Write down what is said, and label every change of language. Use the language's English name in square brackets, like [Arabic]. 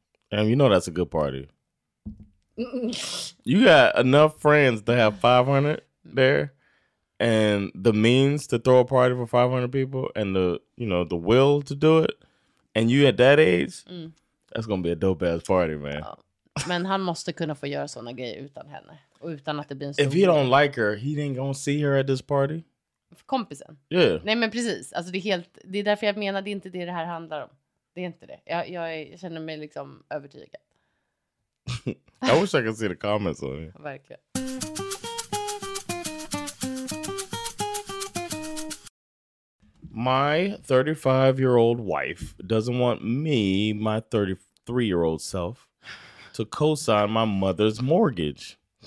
[English] And you know that's a good party. You got enough friends to have 500 there, and the means to throw a party for 500 people, and the, you know, the will to do it, and you at that age, that's gonna be a dope ass party, man. Oh. [Swedish] Men han måste kunna få göra såna grejer utan henne och utan att det blir en stor. [English] If he don't like her, he ain't gonna see her at this party. [Swedish] Kompisen. [English] Yeah. [Swedish] Nej, men precis. Alltså, det är helt. Det är därför jag menar, det är inte det här handlar om. Det är inte det. Jag känner mig liksom övertygad. [English] I wish I could see the comments on it. [Swedish] Verkligen. [English] My 35-year-old wife doesn't want me, my 33-year-old self, to co-sign my mother's mortgage.